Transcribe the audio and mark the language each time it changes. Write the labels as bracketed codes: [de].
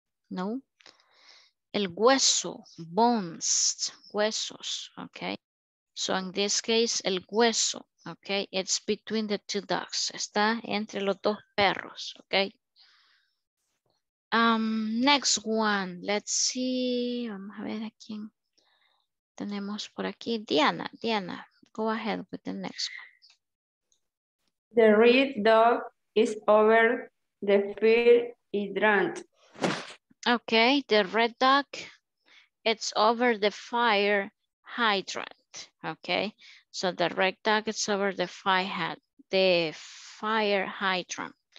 [es] No, el hueso, bones, huesos, okay. [en] So in this case, [es] el hueso, [en] okay, it's between the two dogs. [es] Está entre los dos perros, okay. [en] Next one, let's see, [es] vamos a ver a quién tenemos por aquí. [en] Diana, go ahead with the next one. The red dog is over the fire hydrant. Okay, the red dog, it's over the fire hydrant. Okay, so the red dog is over the fire hydrant.